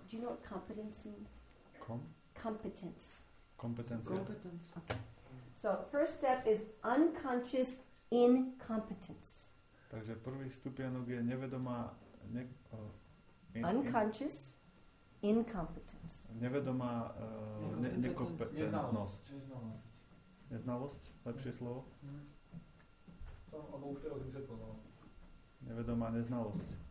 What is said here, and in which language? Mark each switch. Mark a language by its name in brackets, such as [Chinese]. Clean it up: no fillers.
[English] Do you know what competence means? Competence. Competence. Competence. So first step is unconscious incompetence. [Slovak] Takže prvý stupienok je nevedomá... [English] Unconscious incompetence. [Slovak] Nevedomá nekompetentnosť. Neznalosť, lepšie slovo? To, alebo už teraz vysvetlo, no. Nevedomá neznalosť.